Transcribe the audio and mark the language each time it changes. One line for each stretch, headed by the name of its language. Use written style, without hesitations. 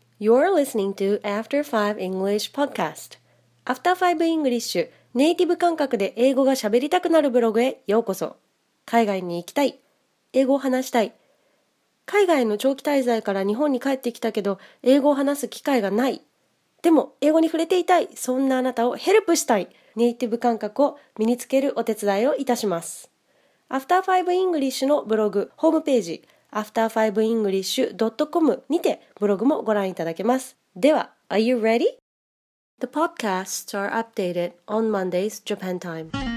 English: You're listening to After 5 English Podcast.
Japanese: After 5 English, ネイティブ感覚で英語が喋りたくなるブログへようこそ。海外に行きたい。英語を話したい。海外の長期滞在から日本に帰ってきたけど、英語を話す機会がない。でも、英語に触れていたい。そんなあなたをヘルプしたい。ネイティブ感覚を身につけるお手伝いをいたします。 After 5 English のブログ、ホームページ、after5english.com にてブログもご覧いただけます。では、
English: Are you ready? The podcasts are updated on Mondays, Japan time.